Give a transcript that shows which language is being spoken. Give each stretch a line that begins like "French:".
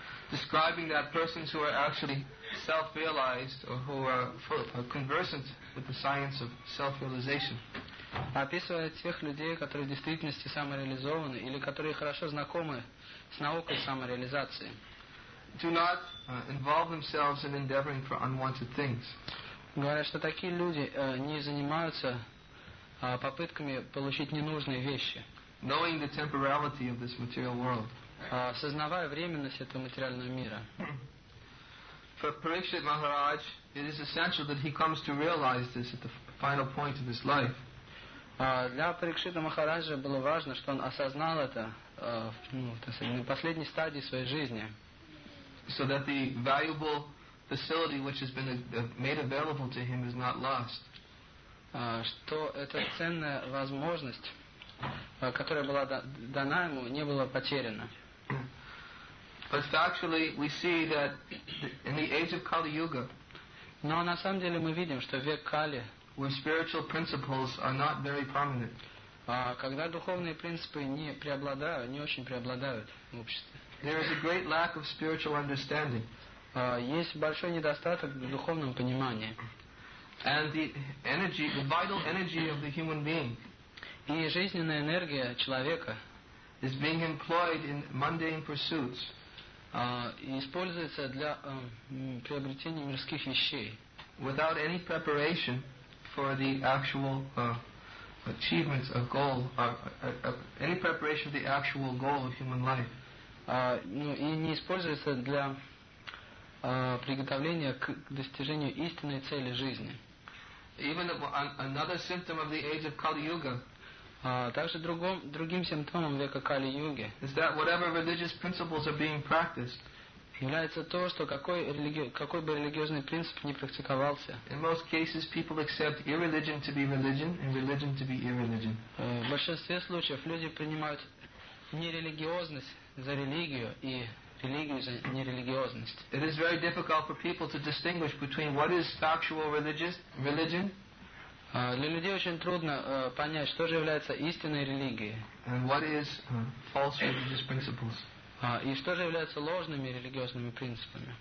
English: Describing that persons who are actually self-realized or who are conversant with the science of self-realization.
Russian: Описывая тех людей, которые в действительности самореализованы или которые хорошо знакомы с наукой самореализации.
English: Do not involve themselves in endeavoring for unwanted things.
Russian: Говорят, что такие люди не занимаются попытками получить ненужные вещи.
English: Knowing the temporality of this material world.
Russian: Осознавая временность этого материального мира.
English: For Parikshit Maharaj, it is essential that he comes to realize this at the final point of his life.
Russian: Для Парикшита Махараджа было важно, что он осознал это на последней стадии своей жизни.
English: So that the valuable facility which has been made available to him is not lost.
Russian: Что эта ценная возможность, которая была дана ему, не была потеряна.
English: But factually, we see that in the age of Kali Yuga,
Russian: но на самом деле мы видим, что век Кали,
English: when spiritual principles are not very prominent,
Russian: когда духовные принципы не преобладают, не очень преобладают в обществе,
English: there is a great lack of spiritual understanding.
Russian: Есть большой недостаток в духовном понимании.
English: And the energy, the vital energy of the human being,
Russian: и жизненная энергия человека,
English: is being employed in mundane pursuits,
Russian: используется для приобретения мирских вещей,
English: without any preparation for the actual achievements of goal, any preparation for the actual goal of human life,
Russian: и не используется для приготовления к достижению истинной цели жизни.
English: Even another symptom of the age of Kali Yuga.
Russian: Также другим симптомом века Кали Юги.
English: Is that whatever religious principles are being practiced.
Russian: Является то, что какой бы религиозный принцип ни практиковался.
English: In most cases, people accept irreligion to be religion and religion to be irreligion.
Russian: В большинстве случаев люди принимают нерелигиозность за религию и религию за нерелигиозность.
English: It is very difficult for people to distinguish between what is factual religious religion
Russian: Для людей очень трудно понять, что же является истинной религией.
English: And what is false religious principles?
Russian: И что же является ложными религиозными принципами?